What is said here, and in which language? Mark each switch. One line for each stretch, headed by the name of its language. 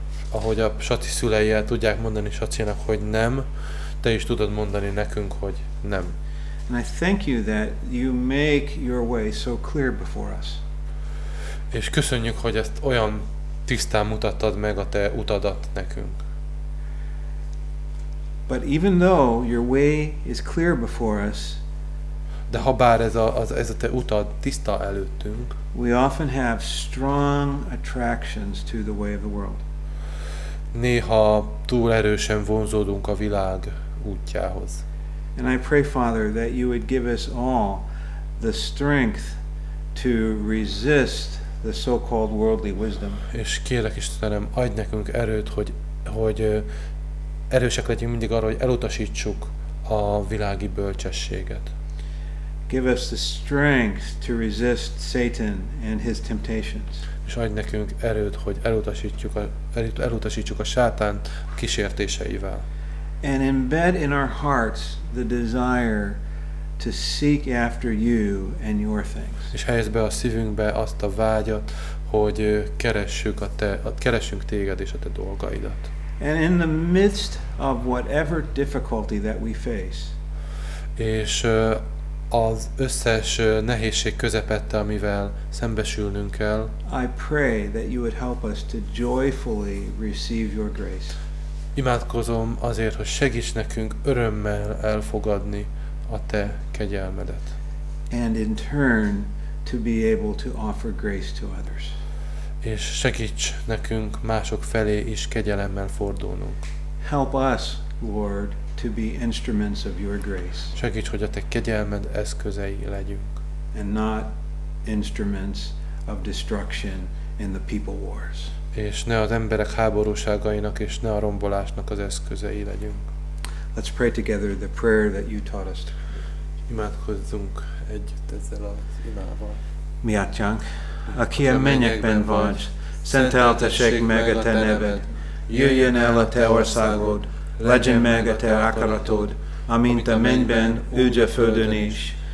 Hungarian: Ahogy a Shatzi szülei el tudják mondani Shatzinak, hogy nem, te is tudod mondani nekünk, hogy nem.
English: And I thank you that you make your way so clear before us.
Hungarian: És köszönjük, hogy ezt olyan tisztán mutattad meg a te utadat nekünk.
English: But even though your way is clear before us,
Hungarian: de ha bár ez a te utad tiszta előttünk,
English: we often have strong attractions to the way of the world.
Hungarian: Néha túl erősen vonzódunk a világ útjához.
English: And I pray, Father, that you would give us all the strength to resist the so-called worldly wisdom.
Hungarian: És kérlek, Istenem, adj nekünk erőt, hogy erősek legyünk mindig arra, hogy elutasítsuk a világi bölcsességet.
English: Give us the strength to resist Satan and his temptations.
Hungarian: És adj nekünk erőt, hogy elutasítsuk a Sátán kísértéseivel.
English: And embed in our hearts the desire to seek after you and your things.
Hungarian: És helyezd be a szívünkbe azt a vágyat, hogy keressünk téged és a te dolgaidat.
English: And in the midst of whatever difficulty that we face.
Hungarian: És az összes nehézség közepette, amivel szembesülnünk kell.
English: I pray that you would help us to joyfully receive your grace.
Hungarian: Imádkozom azért, hogy segíts nekünk örömmel elfogadni a te kegyelmedet.
English: And in turn to be able to offer grace to others.
Hungarian: És segíts nekünk mások felé is kegyelemmel fordulnunk.
English: Help us, Lord, to be instruments of your grace.
Hungarian: Segíts, hogy a te kegyelmed eszközei legyünk.
English: And not instruments of destruction in the people wars.
Hungarian: És ne az emberek háborúságainak és ne a rombolásnak az eszközei legyünk.
English: Let's pray together the prayer that you taught us.
Hungarian: Imádkozzunk együtt ezzel az imával. Mi atyánk, aki a mennyekben vagy, szenteltessék meg a te neved, jöjjön el a te országod, legyen meg a te akaratod, amint a mennyben, úgy a földön is.